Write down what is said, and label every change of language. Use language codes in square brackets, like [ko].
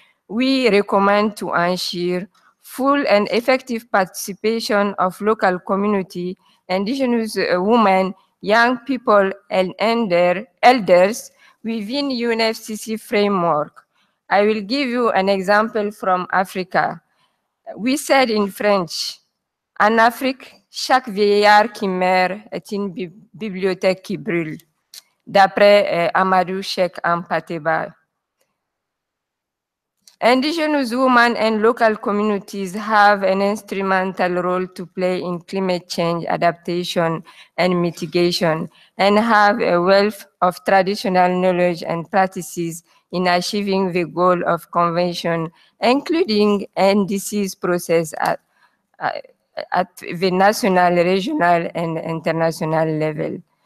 [en] we recommend to ensure full and effective participation of local community, Indigenous women, young people, and elders within UNFCCC framework. I will give you an example from Africa. We said in French, [fr] en Afrique, chaque vieillard qui meurt est une bibliothèque qui brûle, d'après Amadou Cheikh Ampateba. [en] Indigenous women and local communities have an instrumental role to play in climate change adaptation and mitigation, and have a wealth of traditional knowledge and practices in achieving the goal of convention, including NDC's process at the national, regional, and international level.